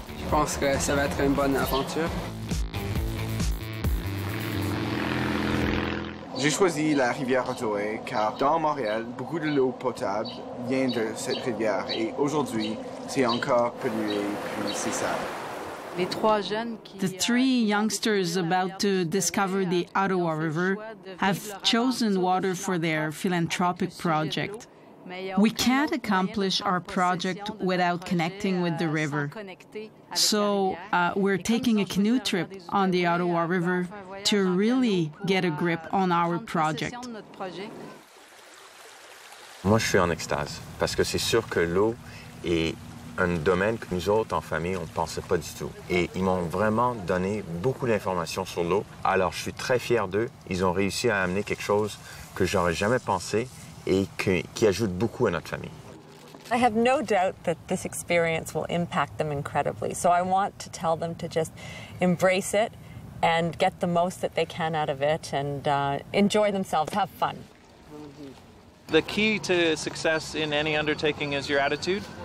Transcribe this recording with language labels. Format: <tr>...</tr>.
<fr>Je pense que ça va être une bonne aventure. J'ai choisi la rivière Ottawa car dans Montréal, beaucoup de l'eau potable vient de cette rivière et aujourd'hui, c'est encore pollué, puis c'est sale.</fr> <en>The three youngsters about to discover the Ottawa River have chosen water for their philanthropic project. We can't accomplish our project without connecting with the river. So we're taking a canoe trip on the Ottawa River to really get a grip on our project.</en> <fr>Moi, je suis en extase parce que c'est sûr que l'eau est un domaine que nous autres, en famille, on ne pensait pas du tout. Et ils m'ont vraiment donné beaucoup d'informations sur l'eau. Alors, je suis très fier d'eux. Ils ont réussi à amener quelque chose que j'aurais jamais pensé et qui ajoute beaucoup à notre famille.</fr> <en>I have no doubt that this experience will impact them incredibly. So I want to tell them to just embrace it and get the most that they can out of it and enjoy themselves, have fun. The key to success in any undertaking is your attitude.</en>